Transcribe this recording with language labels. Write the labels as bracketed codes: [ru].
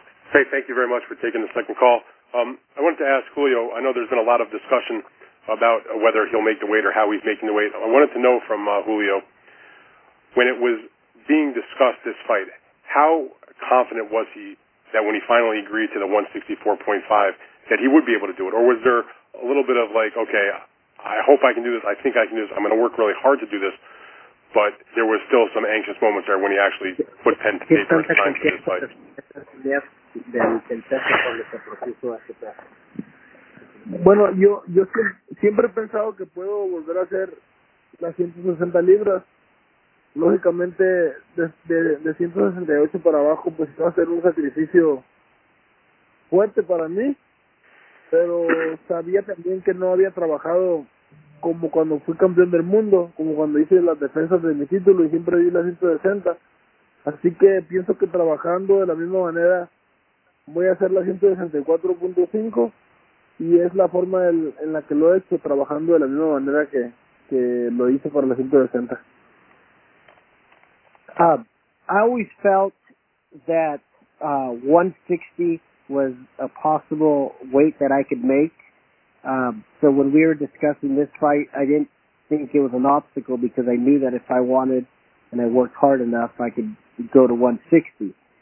[en] Hey, thank you very much for taking the second call. I wanted to ask Julio, I know there's been a lot of discussion about whether he'll make the weight or how he's making the weight. I wanted to know from Julio, when it was being discussed, this fight, how confident was he that when he finally agreed to the 164.5 that he would be able to do it? Or was there a little bit of like, okay, I hope I can do this. I think I can do this. I'm going to work really hard to do this. But there was still some anxious moments there when he actually put pen to paper and signed for this fight. [es] Bueno, yo siempre he pensado que puedo volver a hacer las 160 libras. Lógicamente, de 168 para abajo, pues va a ser un sacrificio fuerte para mí. Pero sabía también que no había trabajado como cuando fui campeón del mundo, como cuando hice las defensas de mi título y siempre di las 160. Así que pienso que trabajando de la misma manera voy a hacer las 164.5. Y es la forma en la que lo he hecho, trabajando de la misma manera que lo hice para la 160. [en] I always felt that 160 was a possible weight that I could make. So when we were discussing this fight, I didn't think it was an obstacle because I knew that if I wanted and I worked hard enough, I could go to 160.